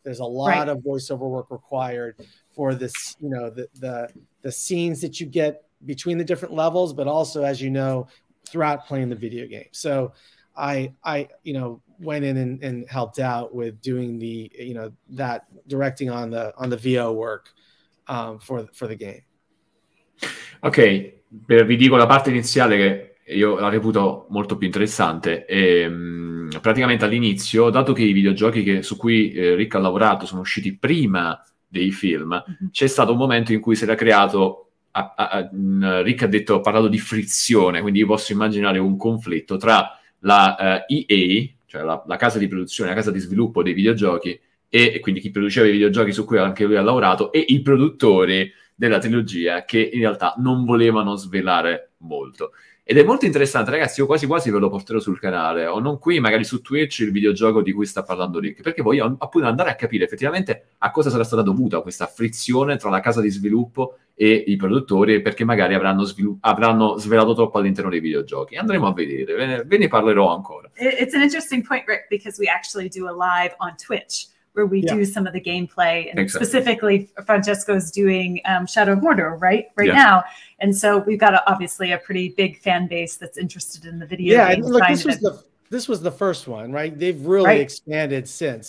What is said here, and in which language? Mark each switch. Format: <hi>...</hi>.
<en>There's a lot of voiceover work required for this, you know, the scenes that you get between the different levels, but also, as you know, throughout playing the video game. So I you know, went in and helped out with doing the, you know, that directing on the VO work for the game.</en> <it>Okay, vi dico la parte iniziale che io la reputo molto più interessante. Praticamente all'inizio, dato che i videogiochi su cui Rick ha lavorato sono usciti prima dei film, c'è stato un momento in cui si era creato Rick ha detto, ha parlato di frizione, quindi io posso immaginare un conflitto tra la EA, cioè la casa di produzione, la casa di sviluppo dei videogiochi, e quindi chi produceva i videogiochi su cui anche lui ha lavorato, e i produttori della trilogia, che in realtà non volevano svelare molto. Ed è molto interessante, ragazzi, io quasi quasi ve lo porterò sul canale, o non qui, magari su Twitch, il videogioco di cui sta parlando Rick, perché voglio appunto andare a capire effettivamente a cosa sarà stata dovuta questa frizione tra la casa di sviluppo e i produttori, perché magari avranno svelato troppo all'interno dei videogiochi. Andremo a vedere, ve ne parlerò ancora.</it> <en>It's an interesting point, Rick, because we actually do a live on Twitch, where we do some of the gameplay, and specifically Francesco's doing Shadow of Mordor right now. And so we've got obviously a pretty big fan base that's interested in the video. Yeah, look, this was the first one, right? They've really expanded since.</en>